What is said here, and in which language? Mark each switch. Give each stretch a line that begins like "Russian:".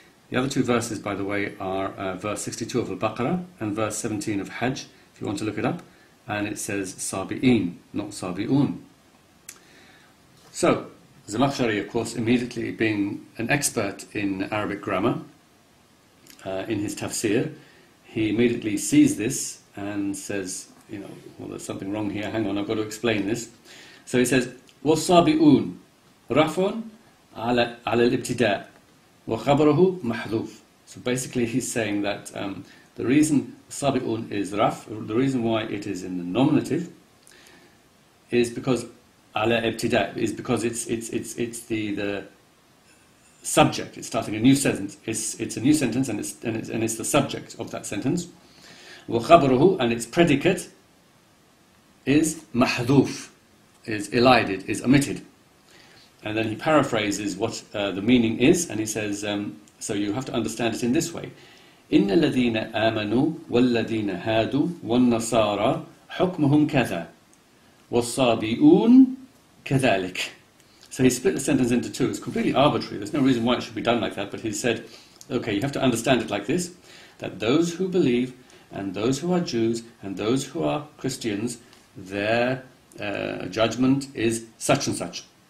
English: The other two verses, by the way, are verse 62 of Al-Baqarah and verse 17 of Hajj, if you want to look it up, and it says sabi'in, not sabi'un. So, Zamakhshari, of course, immediately being an expert in Arabic grammar, in his tafsir, he immediately sees this and says, you know, well, there's something wrong here, hang on, I've got to explain this. So he says,
Arabic: وَالصَّابِئُونَ رَفْعٌ عَلَى الْإِبْتِدَاءِ وَخَبَرَهُ مَحْذُوفٌ.
English: So basically he's saying that the reason sabi'un is raf, the reason why it is in the nominative, is because
Arabic: عَلَى الْإِبْتِدَاءِ,
English: is because it's the subject. It's starting a new sentence. It's a new sentence and it's the subject of that sentence.
Arabic: وَخَبَرَهُ,
English: and its predicate is
Arabic: مَحْذُوفٌ,
English: is elided, is omitted. And then he paraphrases what the meaning is, and he says, so you have to understand it in this way.
Arabic: إن الذين آمنوا والذين هادوا والنصارى حكمهم كذا والصابئون كذلك.
English: So he split the sentence into two. It's completely arbitrary. There's no reason why it should be done like that. But he said, okay, you have to understand it like this, that those who believe and those who are Jews and those who are Christians, their judgment is such and such.